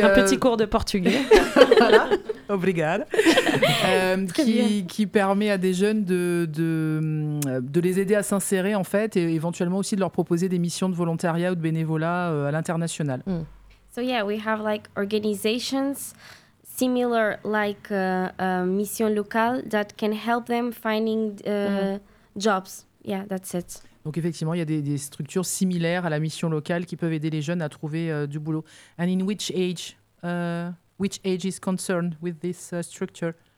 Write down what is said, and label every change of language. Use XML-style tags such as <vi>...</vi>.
<fr>Un petit cours de portugais. Voilà. Obrigado. qui permet à des jeunes de les aider à s'insérer, en fait, et éventuellement aussi de leur proposer des missions de volontariat ou de bénévolat à l'international.</fr> <en>So yeah, we have like organizations. similar like mission locale that can help them finding jobs. Yeah, that's it.</en> <fr>Donc effectivement, il y a des structures similaires à la mission locale qui peuvent aider les jeunes à trouver du boulot.</fr> <en>And in which age is concerned with this structure?</en>